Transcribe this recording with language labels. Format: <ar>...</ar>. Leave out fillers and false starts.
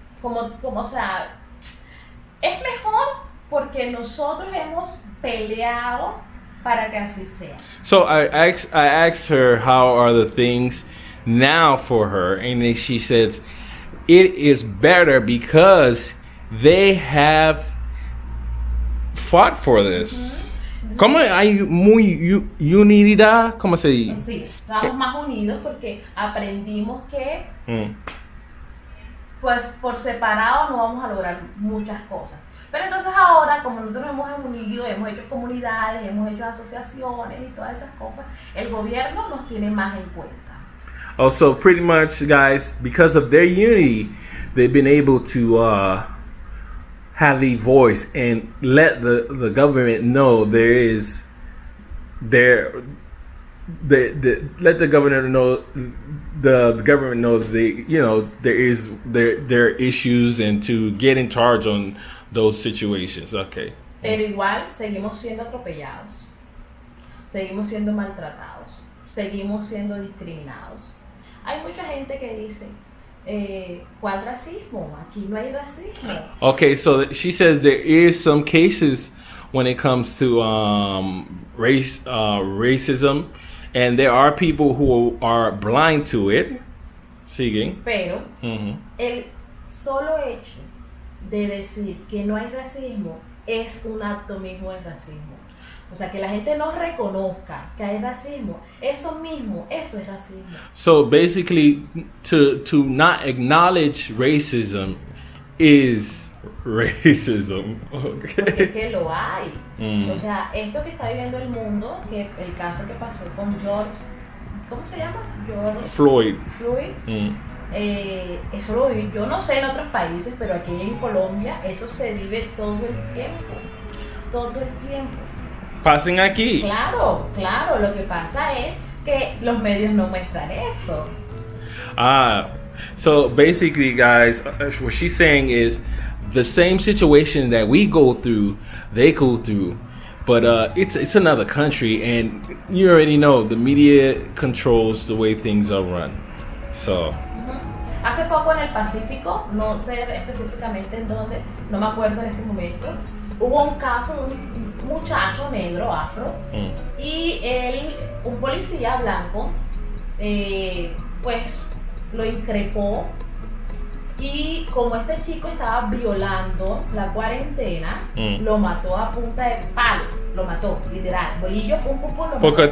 <es>Como, o sea, es mejor porque nosotros hemos peleado para que así sea.</es> <en>So I asked her how are the things now for her, and then she said it is better because they have fought for this.</en> <es>Sí. ¿Cómo hay muy unidad? ¿Cómo se dice? Sí, estamos más unidos porque aprendimos que pues por separado no vamos a lograr muchas cosas. Pero entonces ahora, como nosotros hemos unido, hemos hecho comunidades, hemos hecho asociaciones y todas esas cosas, el gobierno nos tiene más en cuenta.</es> <en>Also, pretty much, guys, because of their unity, they've been able to have a voice and let the government know there is issues and to get in charge on those situations. Okay.</en> <es>Pero igual seguimos siendo atropellados, seguimos siendo maltratados, seguimos siendo discriminados. Hay mucha gente que dice, ¿cuál racismo? Aquí no hay racismo.</es> <en>Okay, so she says there is some cases when it comes to racism, and there are people who are blind to it.</en> <es>Siguen. Pero el solo hecho de decir que no hay racismo es un acto mismo de racismo. O sea, que la gente no reconozca que hay racismo, eso mismo, eso es racismo.</es> <en>So basically, to not acknowledge racism is racism.</en> <es>Okay. Porque es que lo hay. O sea, esto que está viviendo el mundo, que el caso que pasó con George, ¿cómo se llama? George Floyd. Floyd. Eso lo vive. Yo no sé en otros países, pero aquí en Colombia eso se vive todo el tiempo, todo el tiempo. Pasen aquí. Claro, claro. Lo que pasa es que los medios no muestran eso.</es> <en>Ah, so basically, guys, what she's saying is the same situation that we go through, they go through. But it's another country, and you already know the media controls the way things are run. So.</en> <es>Hace poco en el Pacífico, no sé específicamente en dónde, no me acuerdo en este momento, hubo un caso de un muchacho negro, afro, y él, un policía blanco, pues lo increpó, y como este chico estaba violando la cuarentena, lo mató a punta de palo, lo mató, literal, bolillo, pum, pum, pum, lo mató.</es>